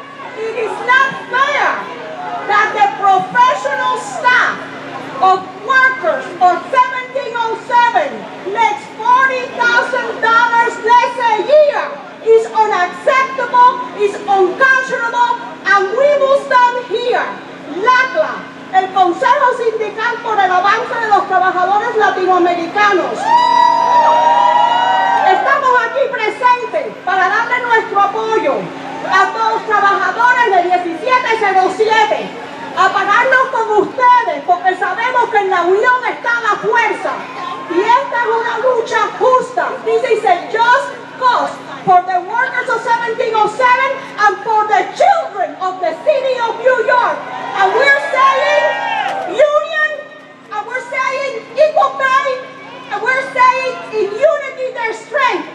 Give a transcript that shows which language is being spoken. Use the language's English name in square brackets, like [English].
[English] It is not fair that the professional staff of workers of 1707 makes $40,000 less a year. It's unacceptable, it's unconscionable, and we will stand here. [Spanish] LACLA, el Consejo Sindical por el Avance de los Trabajadores Latinoamericanos. Estamos aquí presentes para darle nuestro apoyo a todos los trabajadores de 1707, a pararnos con ustedes, porque sabemos que en la unión está la fuerza. Y esta es una lucha justa. [English] This is a just cause for the workers of 1707 and for the children of the city of New York. And we're saying union, and we're saying equal pay, and we're saying in unity there's strength.